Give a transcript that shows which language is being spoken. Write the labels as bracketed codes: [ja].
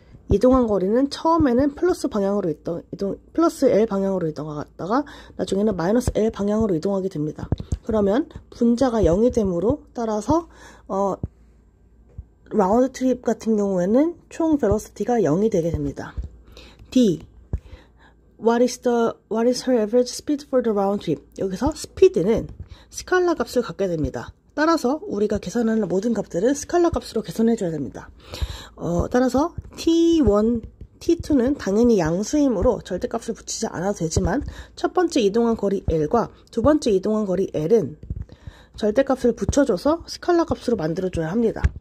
[ko] 이동한 거리는 처음에는 플러스 방향으로 플러스 L 방향으로 이동하다가 나중에는 마이너스 L 방향으로 이동하게 됩니다. 그러면 분자가 0이 되므로 따라서 라운드 트립 같은 경우에는 총 벨로시티가 0이 되게 됩니다. D. [en] What is her average speed for the round trip? [ko] 여기서 스피드는 스칼라 값을 갖게 됩니다. 따라서 우리가 계산하는 모든 값들은 스칼라 값으로 계산해 줘야 됩니다. 따라서 T1, T2는 당연히 양수이므로 절대값을 붙이지 않아도 되지만 첫 번째 이동한 거리 L과 두 번째 이동한 거리 L은 절대값을 붙여줘서 스칼라 값으로 만들어 줘야 합니다.